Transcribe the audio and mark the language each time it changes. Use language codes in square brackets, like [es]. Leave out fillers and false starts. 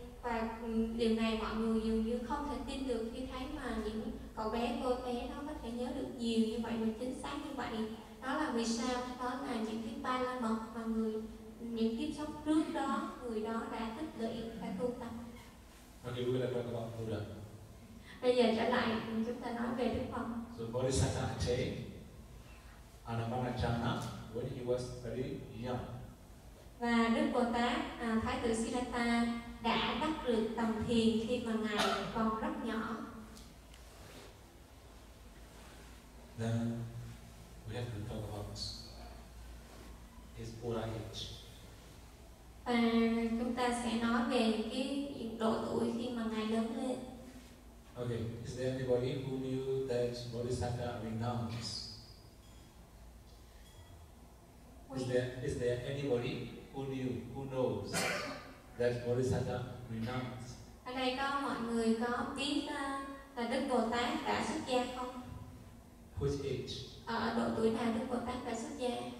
[vi] Và điều này mọi người dường như không thể tin được khi thấy mà những cậu bé, cô bé đó có thể nhớ được nhiều như vậy và chính xác như vậy. Đó là vì sao? Đó là những cái ba la mật mà người, những kiếp sống trước đó, người đó đã tích lũy và tu tập. [en] Okay, we're going to talk about Buddha. [vi] Bây giờ trở lại, chúng ta nói về Đức Phật. [en] So Bodhisattva Ajahn Annamalajana, when he was very young. [vi] Và Đức Bồ Tát Thái Tử Siddhartha đã đắc được tầm thiền khi mà Ngài còn rất nhỏ. [en] Then we have to talk about his old age. [vi] Và chúng ta sẽ nói về cái độ tuổi khi mà Ngài lớn lên. [en] Okay, is there anybody who knew that Bodhisattva renounced? Is there anybody who knew, who knows that Bodhisattva renounced? [vi] Ở đây có mọi người có biết là Đức Bồ Tát đã xuất gia không? [en] Which age? [vi] Ở độ tuổi nào Đức Bồ Tát đã xuất gia?